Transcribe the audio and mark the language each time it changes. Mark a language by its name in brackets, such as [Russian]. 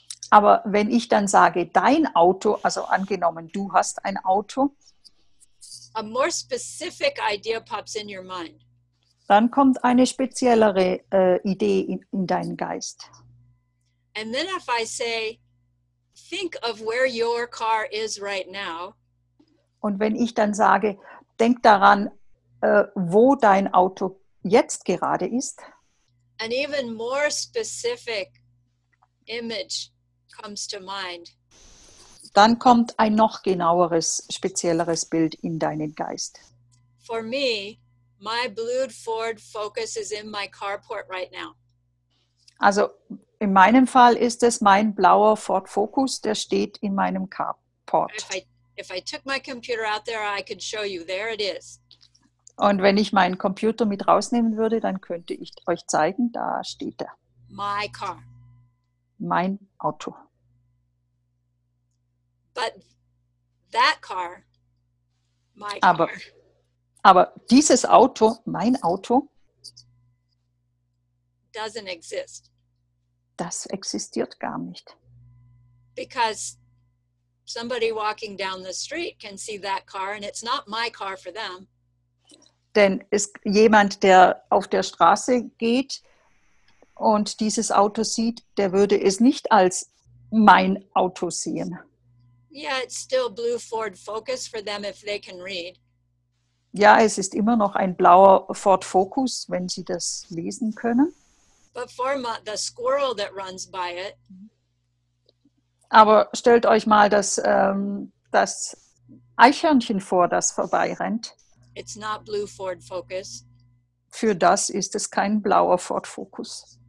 [German] Aber wenn ich dann sage dein Auto, also angenommen du hast ein Auto. [English] A more specific idea pops in your mind. [German] Dann kommt eine speziellere Idee in deinen Geist. [English] And then if I say, think of where your car is right now. [German] Und wenn ich dann sage, denk daran, wo dein Auto jetzt gerade ist. [English] An even more specific image comes to mind. [German] Dann kommt ein noch genaueres, spezielleres Bild in deinen Geist. [English] For me, my blue Ford Focus is in my carport right now. [German] Also in meinem Fall ist es mein blauer Ford Focus, der steht in meinem Carport. [English] If I took my computer out there, I could show you, there it is. [German] Und wenn ich meinen Computer mit rausnehmen würde, dann könnte ich euch zeigen, da steht er. [English] My car. [German] Mein Auto. [English] But that car, my car. [German] Aber dieses Auto, mein Auto, [English] doesn't exist. [German] Das existiert gar nicht. [English] Because somebody walking down the street can see that car and it's not my car for them. [German] Denn ist jemand, der auf der Straße geht und dieses Auto sieht, der würde es nicht als mein Auto sehen. [English] Yeah, it's still blue Ford Focus for them if they can read. [German] Ja, es ist immer noch ein blauer Ford Focus, wenn sie das lesen können. [English] But for the squirrel that runs by it. [German] Aber stellt euch mal das Eichhörnchen vor, das vorbeirennt. [English] It's not blue Ford Focus. [German] Für das ist es kein blauer Ford Focus.